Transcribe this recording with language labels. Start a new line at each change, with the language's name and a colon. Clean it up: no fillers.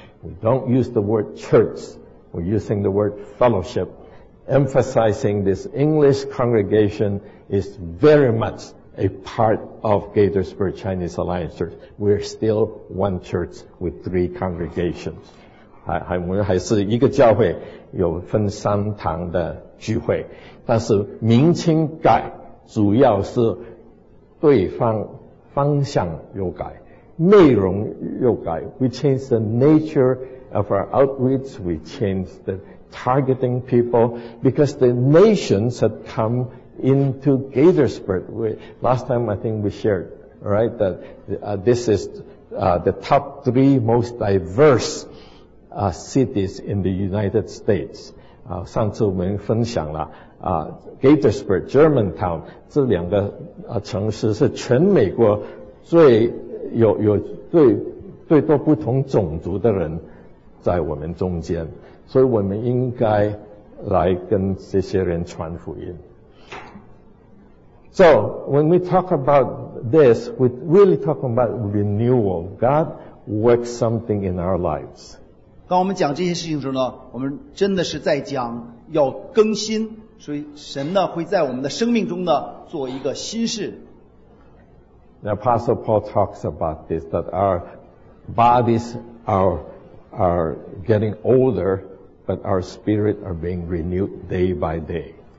English: We don't use the word church, we're using the word fellowship, emphasizing this English congregation is very much a part of Gaithersburg Chinese Alliance Church. We're still one church with three congregations.
Chinese: 我们还是一个教会，有分三堂的聚会，但是名称改主要是对方方向又改，内容又改。
English: We change the nature of our outreach. We change the targeting people because the nations had come into Gaithersburg. Last time I think we shared, right, that this is the top three most diverse cities in the United States.
Chinese: 上次我们分享了Gaithersburg, Germantown, 这两个城市是全美国最有最多不同种族的人在我们中间，所以我们应该来跟这些人传福音。
English: So, when we talk about this, we're really talking about renewal. God works something in our lives.
Chinese: 当我们讲这些事情的时候呢，我们真的是在讲要更新，所以神呢会在我们的生命中呢做一个新事。
English: The Apostle Paul talks about this, that our bodies are getting older, but our spirit are being renewed day by day.